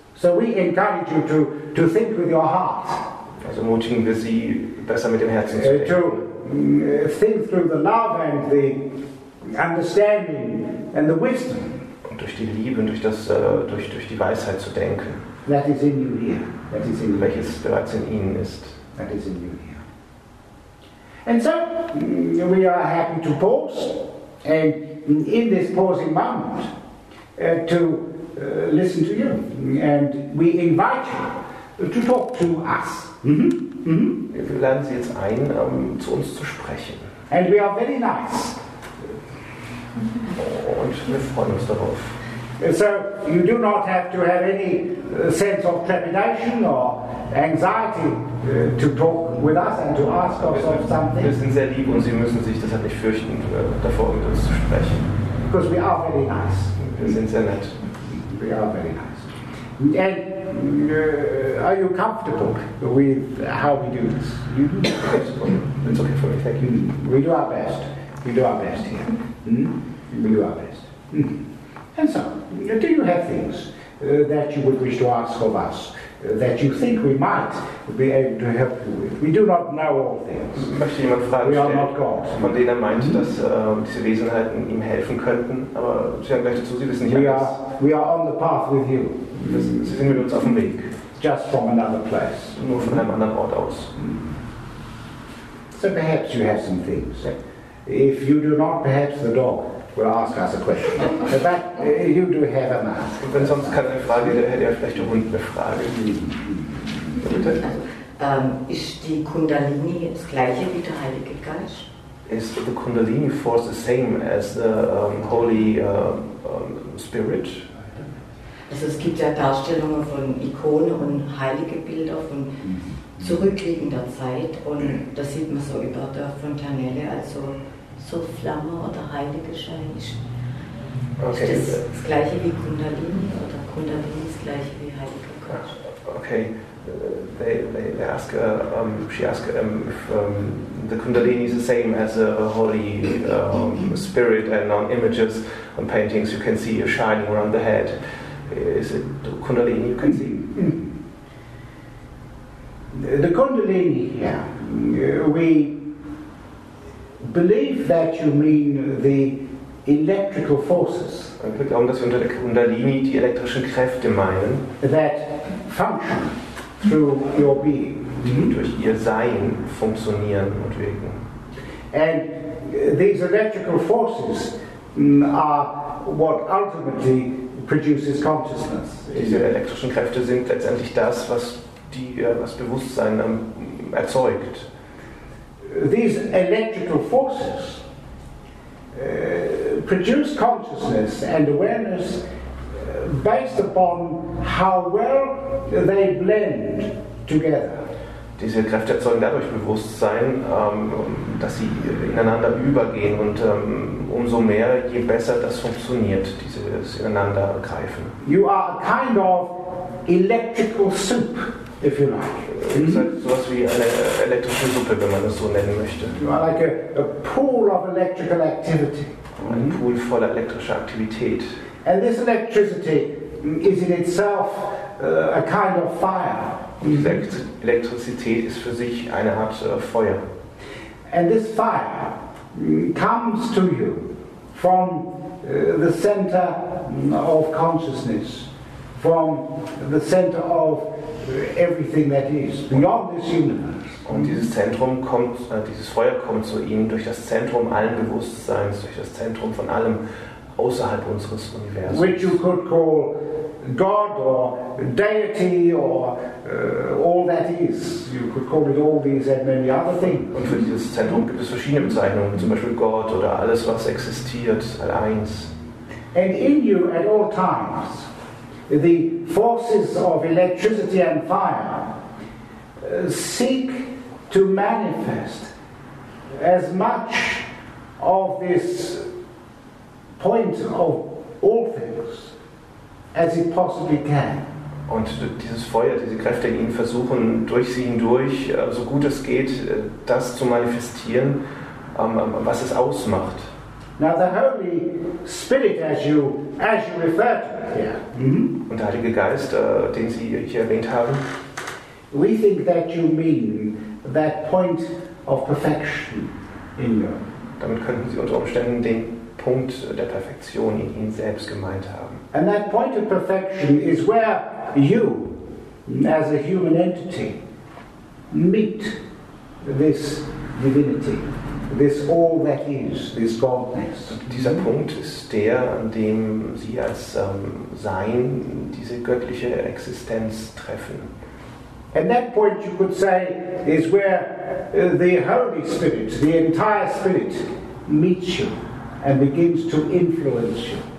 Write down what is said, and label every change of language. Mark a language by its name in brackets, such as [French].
[English] So we encourage you to think with your heart. [German] Also ermutigen wir Sie, besser mit dem Herzen zu denken. [English] To think through the love and the understanding and the wisdom. [German] Und durch die Liebe und durch die Weisheit zu denken. [English] That is in you here. That is in [German] welches [English] you. [German] Bereits in Ihnen ist. [English] That is in you here. And so we are happy to pause and in this pausing moment to listen to you. And we invite you to talk to us. [German] Wir laden Sie jetzt ein, zu uns zu sprechen. [English] And we are very nice. [German] Und wir freuen uns darauf. [English] So you do not have to have any sense of trepidation or anxiety to talk with us and to ask us of something. [German] Wir sind sehr lieb und Sie müssen sich deshalb nicht fürchten, davor mit uns zu sprechen. [English] Because we are very nice. [German] Wir sind sehr nett. [English] We are very nice. And are you comfortable with how we do this? It's okay for me, thank you. We do our best. We do our best here. We do our best. And so, do you have things that you would wish to ask of us that you think we might be able to help you with? We do not know all things. [German] Möchte jemand Fragen stellen, [English] not God. [German] Von denen er meint, dass diese Wesenheiten ihm helfen könnten, aber Sie haben gleich dazu, Sie wissen nicht alles. [English] We are on the path with you. [German] Sie sind mit uns auf dem Weg. [English] Just from another place. [German] Nur von einem anderen Ort aus. [English] So perhaps you have some things. If you do not, perhaps the dog will ask us a question. But you do have a mask. [German] Und wenn sonst keine Frage, dann hätte er vielleicht eine Hund eine Frage. Ist die Kundalini das gleiche wie der Heilige Geist? [English] Is the Kundalini force the same as the Holy Spirit? [German] Also es gibt ja Darstellungen von Ikonen und heilige Bilder von zurückliegender Zeit und da sieht man so über der Fontanelle also so Flamme oder heilige Schein. Ist [English] okay. [German] Das gleiche wie Kundalini oder Kundalini ist das gleiche wie heilige Geist? [English] Okay, they ask, she asked if the Kundalini is the same as a holy spirit and on images and paintings you can see a shining around the head. Is it the Kundalini you can see? The Kundalini, yeah. We believe that you mean the electrical forces. [German] Wir glauben, dass wir unter der Kundalini die elektrischen Kräfte meinen. [English] That function through your being. [German] Die durch ihr Sein funktionieren und wirken. [English] And these electrical forces are what ultimately produces consciousness. [German] Diese elektrischen Kräfte sind letztendlich das, was die, was Bewusstsein erzeugt. [English] These electrical forces produce consciousness and awareness based upon how well they blend together. [German] Diese Kräfte erzeugen dadurch Bewusstsein, dass sie ineinander übergehen und umso mehr, je besser das funktioniert, dieses Ineinandergreifen. [English] You are a kind of electrical soup, if you like. Mm-hmm. [German] Das ist so etwas wie eine elektrische Suppe, wenn man es so nennen möchte. [English] You are like a pool of electrical activity. [German] Ein Pool voller elektrischer Aktivität. [English] And this electricity is in itself a kind of fire. [German] Diese Elektrizität ist für sich eine Art Feuer. [English] And this fire comes to you from the center of consciousness, from the center of everything that is beyond this universe. [German] Und dieses Zentrum kommt, dieses Feuer kommt zu Ihnen durch das Zentrum allen Bewusstseins, durch das Zentrum von allem außerhalb unseres Universums. [English] Which you could call God or deity or all that is. You could call it all these and many other things. [German] Und für dieses Zentrum gibt es verschiedene Bezeichnungen, zum Beispiel Gott oder alles, was existiert, all eins. [English] And in you at all times, the forces of electricity and fire seek to manifest as much of this point of all things as it possibly can. [German] Und dieses Feuer, diese Kräfte in Ihnen versuchen durch Sie hindurch, so gut es geht, das zu manifestieren, was es ausmacht. [English] Now the Holy Spirit, as you refer to it here. [German] Und der Heilige Geist, den Sie hier erwähnt haben. [English] We think that you mean that point of perfection in you. [German] Damit könnten Sie unter Umständen den Punkt der Perfektion in Ihnen selbst gemeint haben. [English] And that point of perfection is where you, as a human entity, meet this divinity. This all that is, this godness. [German] Dieser Punkt ist der, an dem Sie als Sein diese göttliche Existenz treffen. [English] And that point, you could say, is where the Holy Spirit, the entire Spirit, meets you and begins to influence you.